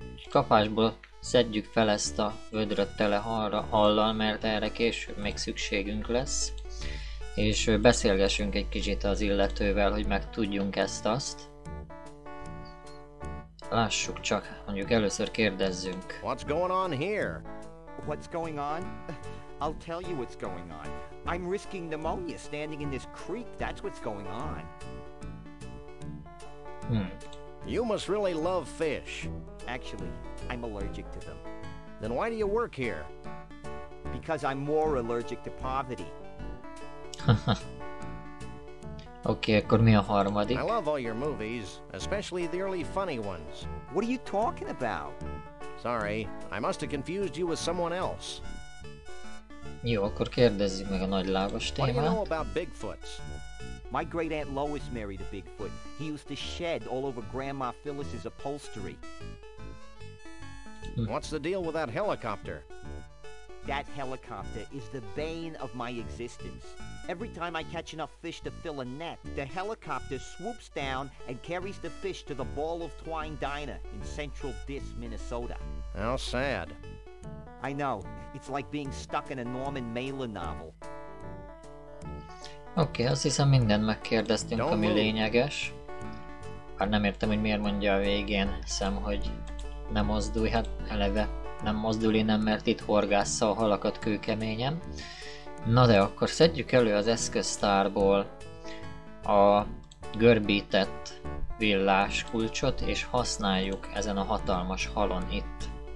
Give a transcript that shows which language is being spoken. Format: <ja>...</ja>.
<hu>Kapásból szedjük fel ezt a vödröt tele hallal, mert erre később még szükségünk lesz. És beszélgessünk egy kicsit az illetővel, hogy megtudjunk ezt-azt. Lássuk csak, mondjuk először kérdezzünk.</hu> <en>What's going on here? What's going on? I'll tell you what's going on. I'm risking pneumonia standing in this creek, that's what's going on. You must really love fish. Actually, I'm allergic to them. Then why do you work here? Because I'm more allergic to poverty.</en> <hu>Oké, akkor mi a harmadik?</hu> <en>I love all your movies, especially the early funny ones. What are you talking about? Sorry, I must have confused you with someone else.</en> <hu>Jó, akkor kérdezzük meg a nagylábas témát.</hu> <en>What do you know about Bigfoots? My great aunt Lois married a Bigfoot. He used to shed all over Grandma Phyllis's upholstery. What's the deal with that helicopter? That helicopter is the bane of my existence. Every time I catch enough fish to fill a net, the helicopter swoops down and carries the fish to the Ball of Twine Diner in Central Dis, Minnesota. How sad. I know. It's like being stuck in a Norman Mailer novel.</en> <hu>Oké, azt hiszem mindent megkérdeztünk, ami lényeges. Hát nem értem, hogy miért mondja a végén Sam, hogy nem mozdulj, hát eleve nem mozdul innen, mert itt horgássza a halakat kőkeményen. Na de akkor szedjük elő az eszköztárból a görbített villás kulcsot, és használjuk ezen a hatalmas halon itt.</hu>